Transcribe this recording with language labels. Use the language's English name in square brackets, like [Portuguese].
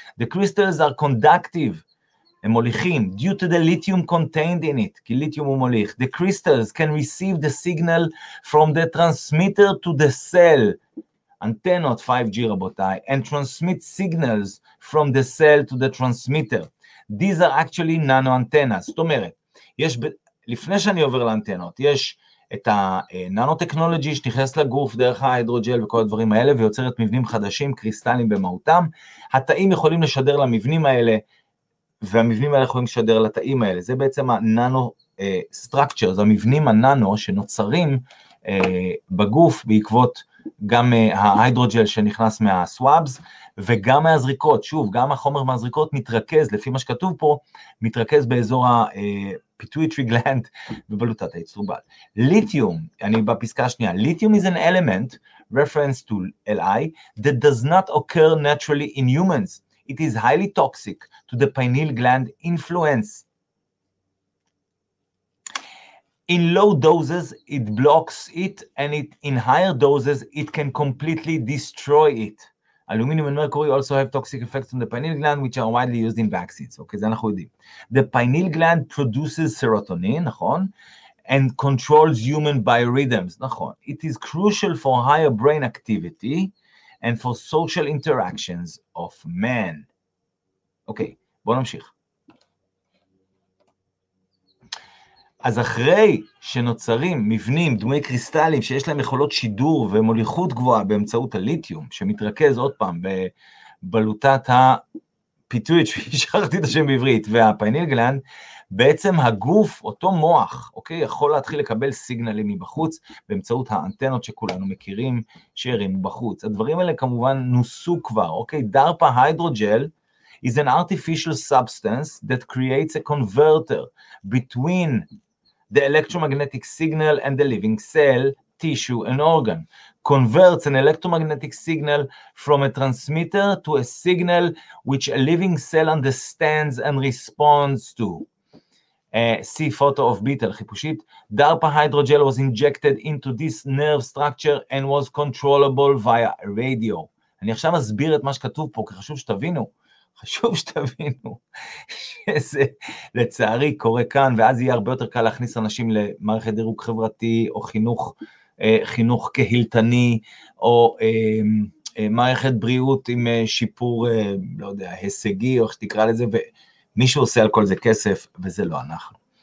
[English] The crystals are conductive, [Hebrew] הם מוליכים, [English] due to the lithium contained in it, [Hebrew] כי ליטיום הוא מוליך. [English] The crystals can receive the signal from the transmitter to the cell, antennas 5G robotai and transmit signals from the cell to the transmitter. These are actually nano antennas. [Hebrew] זאת אומרת, יש לפני שאני עובר לאנטנות, יש את הננו טכנולוגי שנכנס לגוף דרך ההידרוג'ל וכל הדברים האלה ויוצרת מבנים חדשים קריסטלים במהותם. התאים יכולים לשדר למבנים האלה והמבנים האלה יכולים לשדר לתאים האלה. זה בעצם הננו structures, המבנים הננו שנוצרים בגוף בעקבות גם ההיידרוג'ל שנכנס מהסוואבס, וגם מהזריקות, שוב, גם החומר מהזריקות מתרכז, לפי מה שכתוב פה, מתרכז באזור [English] pituitary gland [Hebrew] בבלוטת היצרובל. [English] Lithium, [Hebrew] אני בפסקה השנייה, [English] lithium is an element, reference to Li, that does not occur naturally in humans. It is highly toxic to the pineal gland influence. In low doses, it blocks it, and it, in higher doses, it can completely destroy it. Aluminium and mercury also have toxic effects on the pineal gland, which are widely used in vaccines. [Hebrew] Okay, זה אנחנו יודעים. [English] The pineal gland produces serotonin, נכון? And controls human biorhythms, נכון? It is crucial for higher brain activity and for social interactions of men. [Hebrew] Okay, בואו נמשיך. אז אחרי שנוצרים מבנים דמוי קריסטלים שיש להם יכולות שידור ומוליכות גבוהה באמצעות הליטיום, שמתרכז עוד פעם בבלוטת הפיטויץ' שהשארתי את השם בעברית, והפייניל גלנד, בעצם הגוף, אותו מוח, אוקיי, יכול להתחיל לקבל סיגנלים מבחוץ באמצעות האנטנות שכולנו מכירים שירים בחוץ. הדברים האלה כמובן נוסו כבר, אוקיי, דרפה הידרוג'ל, [English] is an artificial substance that creates a converter between the electromagnetic signal and the living cell, tissue, and organ. Converts an electromagnetic signal from a transmitter to a signal which a living cell understands and responds to. See photo of beetle, חיפושית. DARPA hydrogel was injected into this nerve structure and was controllable via radio. [Hebrew] אני עכשיו אסביר את מה שכתוב פה, כי חשוב שתבינו. חשוב שתבינו שזה לצערי קורה כאן, ואז יהיה הרבה יותר קל להכניס אנשים למערכת דירוג חברתי, או חינוך קהילתני, או מערכת בריאות עם שיפור, לא יודע, הישגי, או איך שתקרא לזה, ומישהו עושה על כל זה כסף, וזה לא אנחנו.